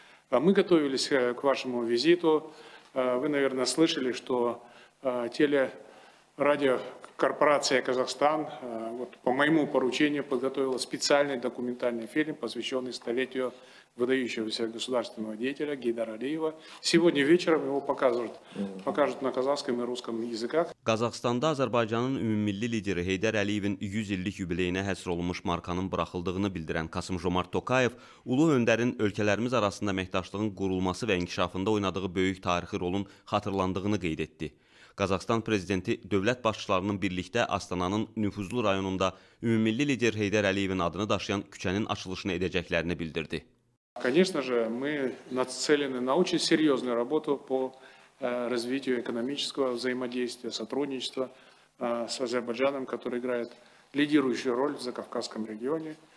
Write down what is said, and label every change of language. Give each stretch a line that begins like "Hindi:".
Russian: Мы готовились к вашему визиту. Вы, наверное, слышали, что телерадиокорпорация «Казахстан» вот, по моему поручению подготовила специальный документальный фильм, посвященный столетию выдающегося государственного деятеля Гейдара Алиева. Сегодня вечером его покажут на казахском и русском языках.
Azerbaijani: Qazaxıstanda Azərbaycanın ümummilli lideri Heydər Əliyevin 100 illik yubileyinə həsr olunmuş markanın bıraxıldığını bildirən Kasım Jomart Tokayev, ulu öndərin ölkələrimiz arasında məkdaşlığın qurulması və inkişafında oynadığı böyük tarixi rolun xatırlandığını qeyd etdi. Qazaxıstan prezidenti dövlət başçılarının birlikdə Astananın nüfuzlu rayonunda ümummilli lider Heydər Əliyevin adını daşıyan küçənin açılışını edəcəklərini bildirdi.
Russian: Конечно же, мы нацелены на очень серьезную работу по развитию экономического взаимодействия, сотрудничества с Азербайджаном, который играет лидирующую роль в Закавказском регионе.